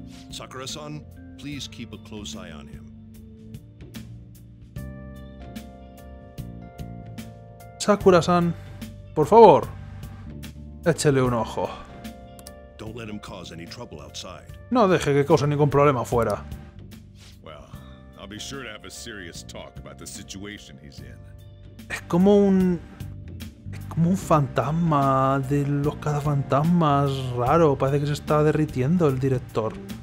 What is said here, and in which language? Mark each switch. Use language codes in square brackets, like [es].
[en] Sakura-san, please keep a close eye on him. [es] Sakura-san... Por favor, échele un ojo. [en] Don't let him cause any trouble outside. [es] No deje que cause ningún problema afuera. [en] Well, I'll be sure to have a serious talk about the situation he's in. [es] Es como un fantasma de los cazafantasmas, raro. Parece que se está derritiendo el director.